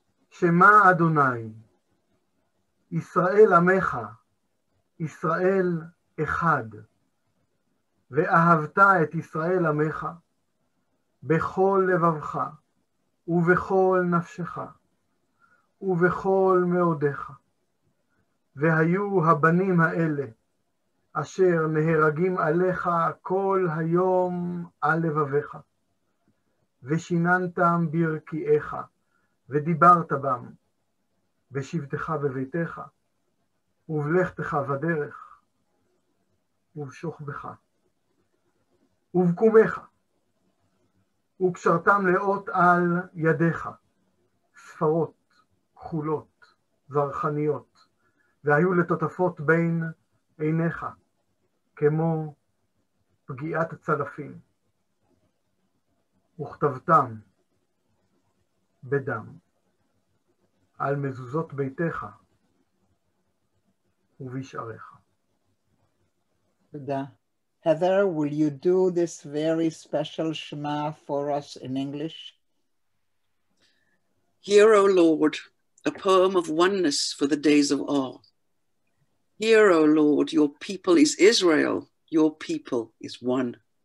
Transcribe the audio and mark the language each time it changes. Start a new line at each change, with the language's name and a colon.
Hebrew: Shema Adonai, Israel Amecha, Israel Echad, Ve'ahavta et Israel Amecha, בכל לבבך ובכל נפשך ובכל מאודך. והיו הבנים האלה אשר נהרגים עליך כל היום על לבבך, ושיננתם ברכיאך ודיברת בם בשבתך בביתך ובלכתך בדרך ובשוכבך ובקומך, וקשרתם לאות על ידיך ספרות כחולות זרחניות, והיו לטוטפות בין עיניך, כמו פגיעת הצלפים, וכתבתם בדם, על מזוזות ביתך ובשעריך. תודה.
English: Heather, will you do this very special Shema for us in English? Hear, O Lord, a poem of oneness for the days of awe. Hear, O Lord, your people is Israel, your people is one.